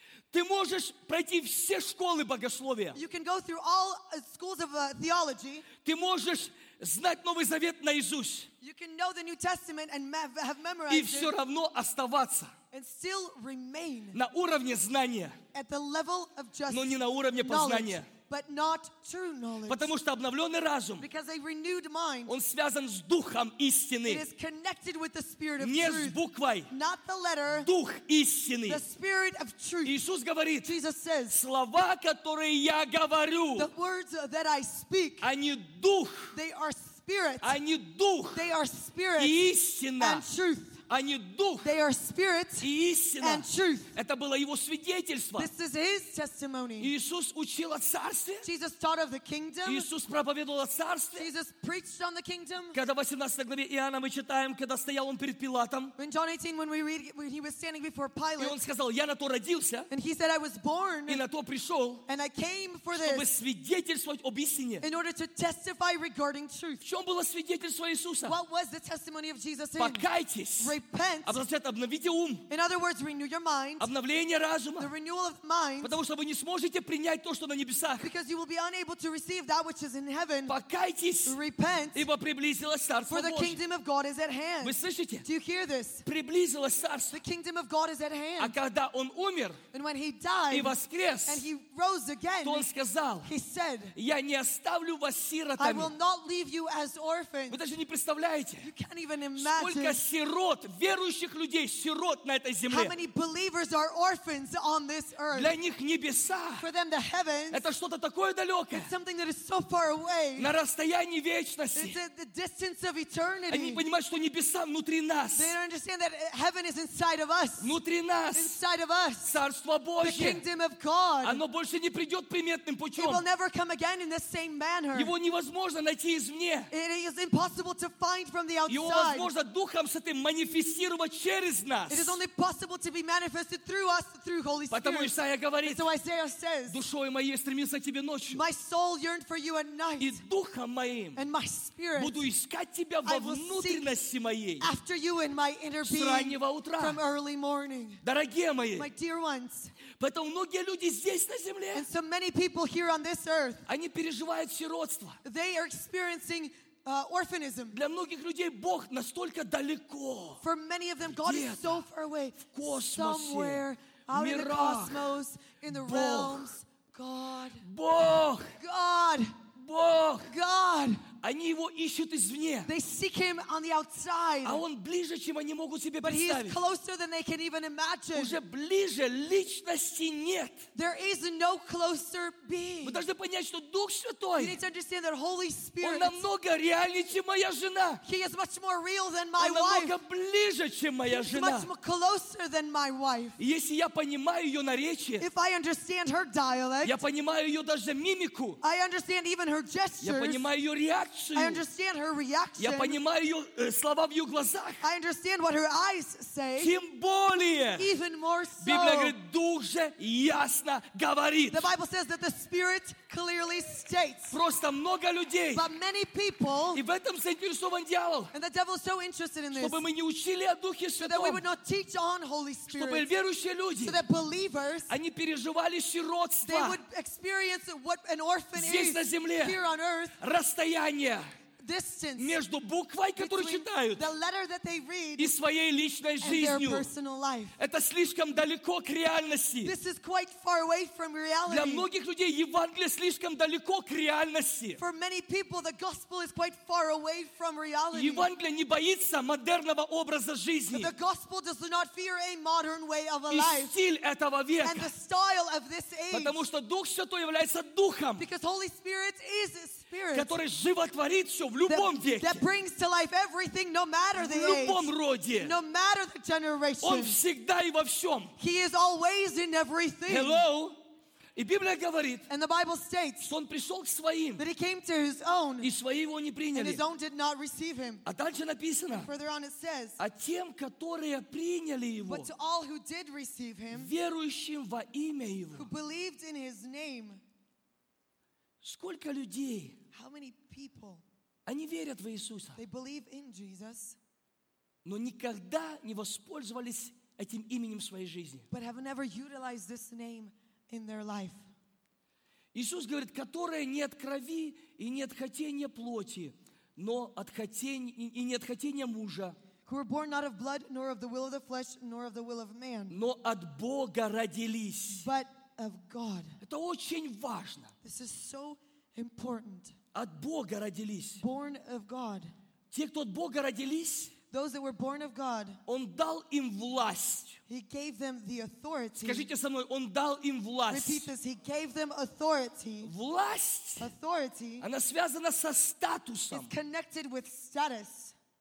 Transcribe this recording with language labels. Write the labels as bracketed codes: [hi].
[ru] Ты можешь пройти все школы богословия. [en] You can go through all schools of theology. [ru] Ты можешь знать Новый Завет наизусть. [en] You can know the New Testament and have memorized it. [ru] И все равно оставаться. [en] And still remain. [ru] На уровне знания. [en] At the level of just [ru] Но не на уровне познания. [en] But not true knowledge. [ru] Потому что обновленный разум. [en] Because a renewed mind. [ru] Он связан с духом истины. [en] It is connected with the spirit of [ru] не [en] truth. [ru] Не с буквой. [en] Not the letter. [ru] Дух истины. [en] The spirit of truth. [ru] Иисус говорит. [en] Jesus says. [ru] Слова, которые я говорю. [en] The words that I speak. [ru] Они дух. [en] They are spirit. [ru] Они дух. [en] They are spirit. [ru] И истина. [en] And truth. [ru] Они дух. [en] They are spirit [ru] и истина. [en] And truth. [ru] Это было его свидетельство. [en] This is his testimony. [ru] Иисус учил о царстве. [en] Jesus taught of the kingdom. [ru] Иисус проповедовал о царстве. [en] Jesus preached on the kingdom. [ru] Когда в 18 главе Иоанна мы читаем, когда стоял он перед Пилатом. [en] In John 18, when we read, when he was standing before Pilate. [ru] И он сказал, я на то родился. [en] And he said, I was born. [ru] И на то пришел. [en] And I came for [ru] чтобы [en] this. [ru] Чтобы свидетельствовать об истине. [en] In order to testify regarding truth. [ru] В чем было свидетельство Иисуса? [en] What was the testimony of Jesus in? [ru] Покайтесь. [en] Repent. [ru] Обновите, обновите ум. [en] In other words, renew your mind. [ru] Обновление разума. [en] The renewal of mind. [ru] Потому что вы не сможете принять то, что на небесах. [en] Because you will be unable to receive that which is in heaven. [ru] Покайтесь. [en] Repent. [ru] Ибо приблизилось царство Божие. [en] For the kingdom of God is at hand. [ru] Вы слышите? [en] Do you hear this? [ru] Приблизилось царство. [en] The kingdom of God is at hand. [ru] А когда он умер. [en] And when he died. [ru] И воскрес. [en] And he rose again. [ru] То он сказал. [en] He said. [ru] Я не оставлю вас сиротами. [en] I will not leave you as orphans. [ru] Вы даже не представляете. [en] You can't even imagine. [ru] Сколько сирот. Верующих людей сирот на этой земле. [en] How many believers are orphans on this earth? [ru] Для них небеса. [en] For them the heavens. [ru] Это что-то такое далекое. [en] It's something that is so far away. [ru] На расстоянии вечности. [en] It's at the distance of eternity. [ru] Они понимают, что небеса внутри нас. [en] They don't understand that heaven is inside of us. [ru] Внутри нас. [en] Inside of us. [ru] Царство Божье. [en] The kingdom of God. [ru] Оно больше не придет приметным путем. [en] It will never come again in the same manner. [ru] Его невозможно найти извне. [en] It is impossible to find from the outside. [ru] Его возможно духом с этим манифестировать. [en] It is only possible to be manifested through us through Holy Spirit. [ru] Потому Исаия говорит. [en] So Isaiah says. [ru] Душою моей стремился к тебе ночью. [en] My soul yearned for you at night. [ru] И духом моим. [en] And my spirit. [ru] Буду искать тебя во внутренности моей. [en] After you in my inner being. [ru] С раннего утра. [en] From early morning. [ru] Дорогие мои. [en] My dear ones. [ru] Поэтому многие люди здесь на земле. [en] And so many people here on this earth. [ru] Они переживают сиротство. [en] They are experiencing. Orphanism. [ru] Для многих людей Бог настолько далеко. [en] For many of them, God is so far away. [ru] В космосе. [en] Somewhere out [ru] мирах. [en] In the cosmos, in the [ru] Бог. [en] Realms. God. [ru] Бог. [en] God. [ru] Бог. [en] God. [ru] Они его ищут извне. [en] They seek him on the outside. [ru] А он ближе, чем они могут себе [en] But [ru] представить. [en] But he is closer than they can even imagine. [ru] Уже ближе личности нет. [en] There is no closer being. [ru] Вы должны понять, что Дух Святой. [en] You need to understand that Holy Spirit. [ru] Он намного реальнее, чем моя жена. [en] He is much more real than my wife. [ru] Он намного [en] wife. [ru] Ближе, чем моя [en] He [ru] жена. [en] He is much closer than my wife. [ru] Если я понимаю ее наречие. [en] If I understand her dialect. [ru] Я понимаю ее даже мимику. [en] I understand even her gestures. [ru] Я понимаю ее реакцию. [en] I understand her reaction. [ru] Я понимаю ее, слова в ее глазах. [en] I understand what her eyes say. [ru] Тем более. [en] Even more so. [ru] Библия говорит, Дух же ясно говорит. [en] The Bible says that the Spirit clearly states. [ru] Просто много людей. [en] But many people. [ru] И в этом заинтересован дьявол. [en] And the devil is so interested in this. [ru] Чтобы мы не учили о Духе Святом. [en] So that we would not teach on Holy Spirit. [ru] Чтобы верующие люди. [en] So that believers. [ru] Они переживали сиротство. [en] They would experience what an orphan [ru] здесь, Здесь на земле. [en] Here on earth. [ru] Расстояние. [en] Distance [ru] между буквой, которую читают, [en] the letter that they read [ru] и своей личной жизнью. Это слишком далеко к реальности. [en] This is quite far away from reality. [ru] Для многих людей Евангелие слишком далеко к реальности. [en] For many people, the gospel is quite far away from reality. [ru] Евангелие не боится модерного образа жизни. [en] The gospel does not fear a modern way of life. [ru] И стиль этого века. [en] And the style of this age. [ru] Потому что Дух Святой является Духом. [en] Because Holy Spirit is Spirit, [ru] который животворит все в любом веке. [en] That brings to life everything, no matter the age. [ru] В любом роде. [en] No matter the generation. [ru] Он всегда и во всем. [en] He is always in everything. Hello. [ru] И Библия говорит, [en] and the Bible states, [ru] что он пришел к своим, [en] that he came to his own, [ru] и свои его не приняли. [en] And his own did not receive him. [ru] А дальше написано, [en] and further on it says, [ru] а тем, которые приняли его, [en] but to all who did receive him, [ru] верующим во имя его, [en] who believed in his name, [ru] сколько людей? [en] How many people, [ru] они верят в Иисуса. [en] They believe in Jesus, [ru] но никогда не воспользовались этим именем в своей жизни. [en] But have never utilized this name in their life. [ru] Иисус говорит, которое не от крови и не от хотения плоти, но от хотения, и не от хотения мужа. [en] Who were born not of blood, nor of the will of the flesh, nor of the will of man. [ru] Но от Бога родились. [en] But of God. [ru] Это очень важно. [en] This is so important. [ru] От Бога родились. [en] Born of God. [ru] Те, кто от Бога родились, [en] those that were born of God. [ru] Он дал им власть. [en] He gave them the authority. [ru] Скажите со мной, он дал им власть. [en] Repeat this. He gave them authority. [ru] Власть. [en] Authority. [ru] Она связана со статусом. [en] It's connected with status.